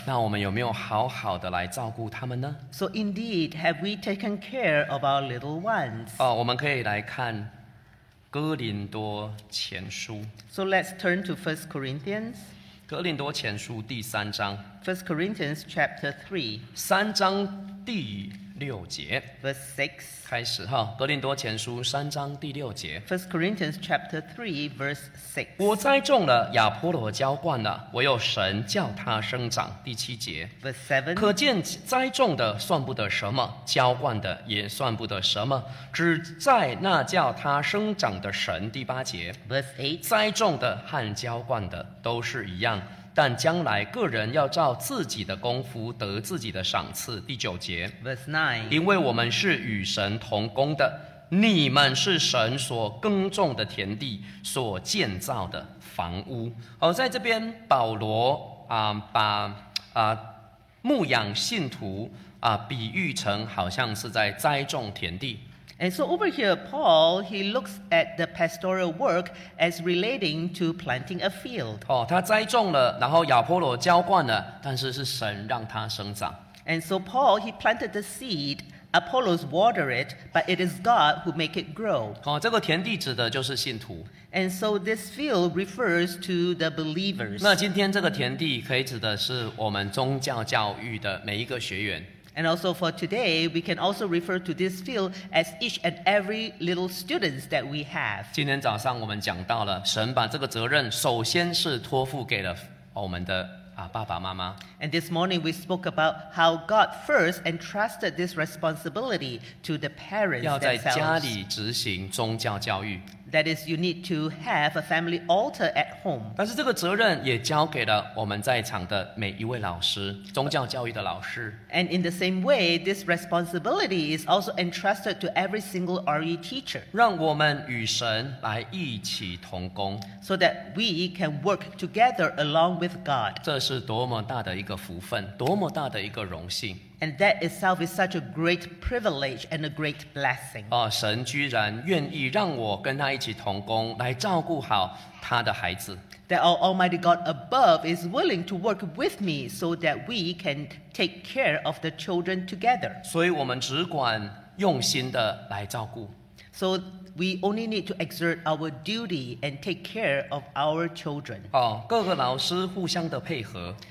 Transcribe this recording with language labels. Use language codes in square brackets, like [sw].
[zh] 那我们有没有好好的来照顾他们呢？ [en] So indeed, have we taken care of our little ones? [zh] 我们可以来看哥林多前书。 [en] So let's turn to 1 Corinthians. [zh] 哥林多前书第三章。 [en] First Corinthians chapter 3. [zh] 三章第六节。 [en] Verse 6. [zh] 开始哈，哥林多前书三章第六节。 [en] First Corinthians chapter 3, verse 6. [zh] 我栽种了，亚波罗浇灌了，唯有神叫他生长。第七节。 [en] Verse 7. [zh] 可见栽种的算不得什么，浇灌的也算不得什么，只在那叫他生长的神。第八节。 [en] Verse 8. [zh] 栽种的和浇灌的都是一样，但将来个人要照自己的功夫得自己的赏赐。第九节。 [en] Verse 9. [zh] 因为我们是与神同工的，你们是神所耕种的田地，所建造的房屋。好，在这边保罗把牧养信徒比喻成好像是在栽种田地。 [en] And so over here, Paul, he looks at the pastoral work as relating to planting a field. [zh] 哦，他栽种了，然后亚波罗浇灌了，但是是神让他生长。 [en] And so Paul, he planted the seed, Apollos watered it, but it is God who make it grow. [zh] 哦，这个田地指的就是信徒。 [en] And so this field refers to the believers. [zh] 那今天这个田地可以指的是我们宗教教育的每一个学员。 [en] And also for today, we can also refer to this field as each and every little students that we have. [zh] 今天早上我们讲到了，神把这个责任首先是托付给了我们的爸爸妈妈。 [en] And this morning we spoke about how God first entrusted this responsibility to the parents themselves. [zh] 要在家里执行宗教教育。 [en] That is, you need to have a family altar at home. [zh] 但是这个责任也交给了我们在场的每一位老师，宗教教育的老师。 [en] And in the same way, this responsibility is also entrusted to every single RE teacher. [zh] 让我们与神来一起同工。 [en] So that we can work together along with God. [zh] 这是多么大的一个福分，多么大的一个荣幸。 [en] And that itself is such a great privilege and a great blessing. [zh] 哦，神居然愿意让我跟他一起同工，来照顾好他的孩子。 [en] That our Almighty God above is willing to work with me so that we can take care of the children together. [zh] 所以我们只管用心的来照顾。 [en] So we only need to exert our duty and take care of our children. [zh] 哦，各个老师互相的配合。